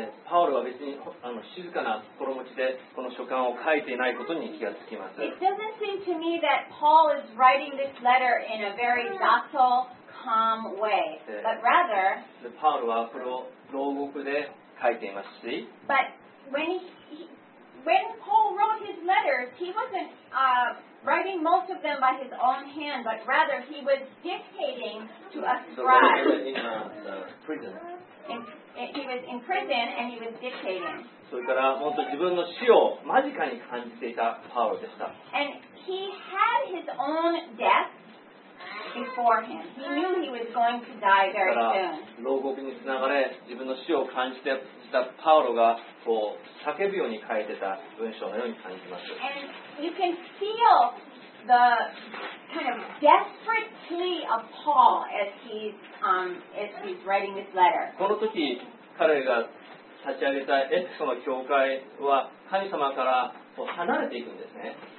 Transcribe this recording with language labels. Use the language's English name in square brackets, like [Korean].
[Japanese] パウルは別に静かな心持ちでこの書簡を書いていないことに気がつきます。 [English] It doesn't seem to me that Paul is writing this letter in a very docile, calm way, but rather. [Japanese] パウルはこれを牢獄で書いていますし。 [English] But when when Paul wrote his letters, he wasn't writing most of them by his own hand, but rather he was dictating to a scribe. So in prison. He was in prison and he was dictating. [Japanese] それから本当自分の死を間近に感じていたパウロでした。 [English] And he had his own death before him. He knew he was going to die very soon. [Japanese] だから牢獄につながれ自分の死を感じていたパウロがこう叫ぶように書いてた文章のように感じます。 [English] And you can feel the kind of desperate plea of Paul as he's writing this letter. [Japanese] この時彼が立ち上げたエフェソの教会は神様から離れていくんですね。